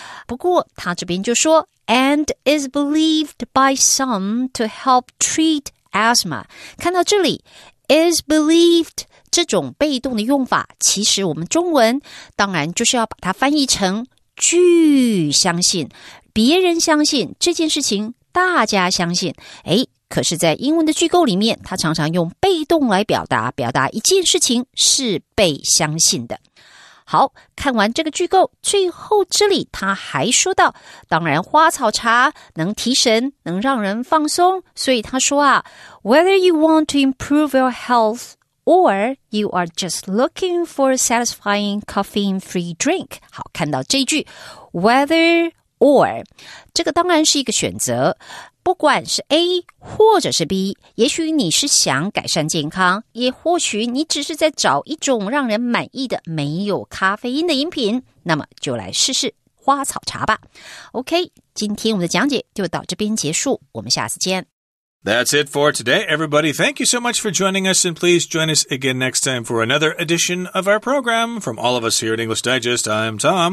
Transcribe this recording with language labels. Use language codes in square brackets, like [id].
[zh] 不过他这边就说 [en] and is believed by some to help treat asthma。 [zh] 看到这里 is believed 这种被动的用法，其实我们中文当然就是要把它翻译成据相信，别人相信这件事情，大家相信。诶，可是在英文的句构里面，它常常用被动来表达，表达一件事情是被相信的。好，看完这个句构，最后这里他还说到，当然花草茶能提神，能让人放松，所以他说啊， [en] Whether you want to improve your health or you are just looking for a satisfying caffeine-free drink。 [zh] 好，看到这句 Whether or， 这个当然是一个选择，不管是 A 或者是 B， 也许你是想改善健康，也或许你只是在找一种让人满意的没有咖啡因的饮品，那么就来试试花草茶吧。 OK， 今天我们的讲解就到这边结束，我们下次见。 [en] That's it for today, everybody. Thank you so much for joining us, and please join us again next time for another edition of our program. From all of us here at English Digest, I'm Tom.